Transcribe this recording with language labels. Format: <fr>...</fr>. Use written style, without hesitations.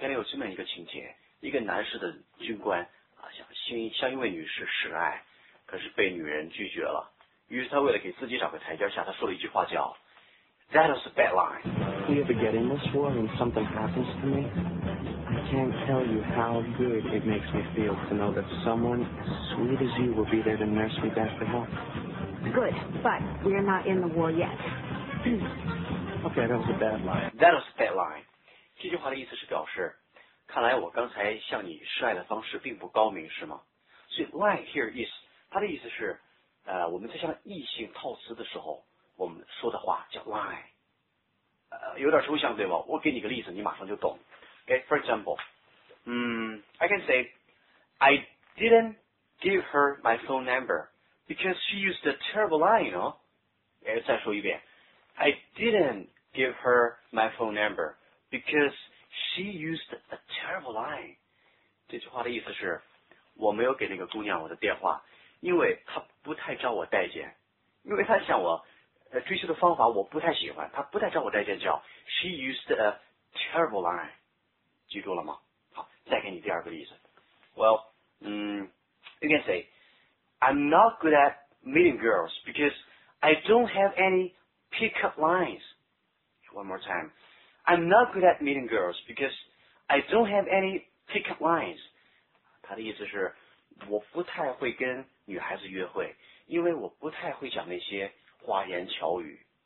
<en>Can you imagine</en> <zh>一个情节，一个男士的军官啊，想向一位女士示爱，可是被女人拒绝了。于是他为了给自己找个台阶下，他说了一句话叫</zh> <en>That is a bad line. If we ever get in this war and something happens to me, I can't tell you how good it makes me feel to know that someone as sweet as you will be there to nurse me back to health. Good, but we're not in the war yet. Okay, that was a bad line. That was a bad line.</en> <zh>这句话的意思是表示，看来我刚才向你示爱的方式并不高明，是吗？所以</zh> <en>lie here is</en> <zh>它的意思是，我们在向异性套词的时候，我们说的话叫 lie。有点抽象，对吧？我给你个例子，你马上就懂。</zh> <en>Okay, for example, I can say, I didn't give her my phone number because she used a terrible line, you know? Okay,</en> <zh>再说一遍。</zh> <en>I didn't give her my phone number because she used a terrible line.</en> <zh>这句话的意思是，我没有给那个姑娘我的电话，因为她不太招我待见，因为她向我追求的方法我不太喜欢，她不太招我待见，叫</zh> <en>she used a terrible line.</en> <zh>记住了吗？好，再给你第二个例子。</zh> <en>Well, you can say, I'm not good at meeting girls because I don't have any pickup lines. One more time. I'm not good at meeting girls because I don't have any pickup lines.</en> <zh>他的意思是，我不太会跟女孩子约会，因为我不太会讲那些花言巧语。</zh>